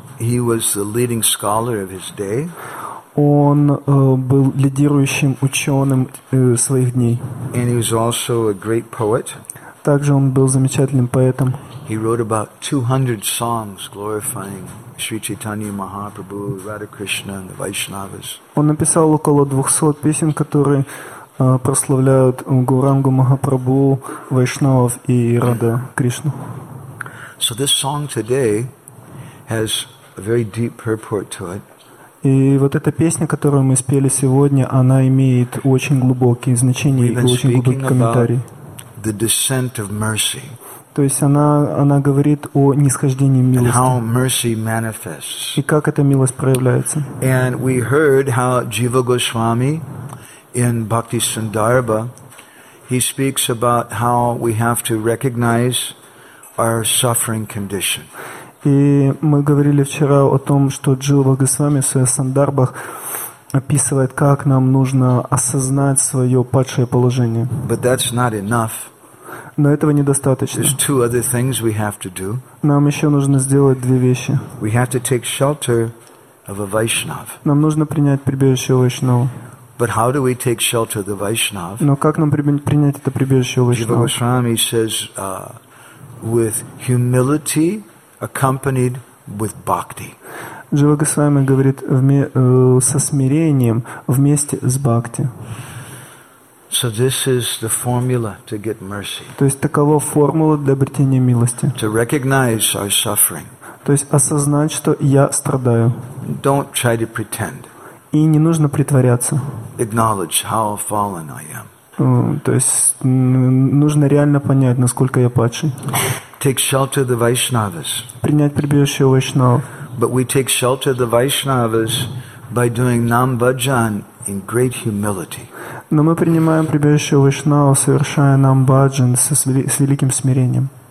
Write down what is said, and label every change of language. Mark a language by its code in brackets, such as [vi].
[en] He was the leading scholar of his day. [ru] Он был лидирующим ученым своих дней. [en] And he was also a great poet. [ru] Также он был замечательным поэтом. [en] He wrote about 200 songs glorifying Sri Chaitanya Mahaprabhu, Radha Krishna and the Vaishnavas. [ru] Он написал около 200 песен, которые прославляют Гаурангу Махапрабху, Вайшнавов и Радха Кришну. [en] So this song today has a very deep purport to it. [ru] И вот эта песня, которую мы спели сегодня, она имеет очень глубокие значения и очень глубокий комментарий. [en] The descent of mercy. [ru] То есть она говорит о нисхождении милости. [en] And how mercy manifests. [ru] И как эта милость проявляется. [en] And we heard how Jiva Goswami in Bhakti Sandarbha, he speaks about how we have to recognize our suffering condition. [ru] И мы говорили вчера о том, что Джива Госвами в своих сандарбах описывает, как нам нужно осознать свое падшее положение. [en] But that's not enough. [ru] Но этого недостаточно. [en] There's two other things we have to do. [ru] Нам еще нужно сделать две вещи. [en] We have to take shelter of a Vaishnav. [ru] Нам нужно принять прибежище у Вайшнава. [en] But how do we take shelter of the Vaishnav? [ru] Но как нам принять это прибежище у Вайшнава? [en] Джива Госвами says, with humility accompanied with bhakti. [ru] Джива Госвами говорит со смирением вместе с бхакти. [en] So this is the formula to get mercy. [ru] То есть такова формула для обретения милости. [en] To recognize our suffering. [ru] То есть осознать, что я страдаю. [en] Don't try to pretend. [ru] И не нужно притворяться. [en] Acknowledge how fallen I am. [ru] То есть нужно реально понять, насколько я падший. [en] Take shelter of the Vaishnavas. [ru] Принять прибежище у Вайшнава. [en] But we take shelter of the Vaishnavas by doing nam bhajan in great humility. [ru] Но мы принимаем прибежище у Вайшнава, совершая нам бхаджан с великим смирением.